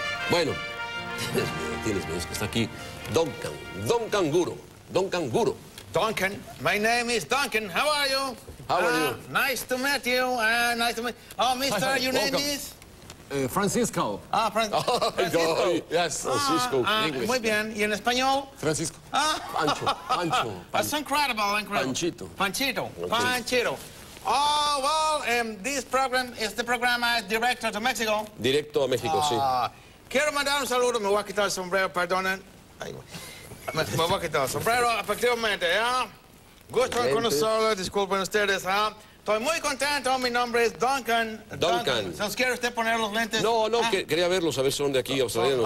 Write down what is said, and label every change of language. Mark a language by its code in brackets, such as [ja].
[es] Bueno, tienes miedo, tienes miedo. Es que está aquí Duncan, Duncan Guro, Duncan Guro. [en] Duncan, my name is Duncan. How are you? How are you? Nice to meet you. Nice to meet you. Oh, mister, your welcome. Name is? Francisco. Ah, Francisco. Yes, Francisco. English. [es] Muy bien. ¿Y en español? Francisco. Pancho. Pancho. [en] That's incredible, incredible. Panchito. Panchito. Okay. Panchito. Oh, well, this program is the program directo to Mexico. [es] Directo a México, sí. Quiero mandar un saludo. Me voy a quitar el sombrero, perdonen. Me voy a quitar el sombrero, efectivamente, ¿ya? Gusto en conocerlo, disculpen ustedes, ¿ah? Estoy muy contento, mi nombre es Duncan. Duncan. ¿Se os quiere usted poner los lentes? No, no, quería verlos, a ver si son de aquí, australianos.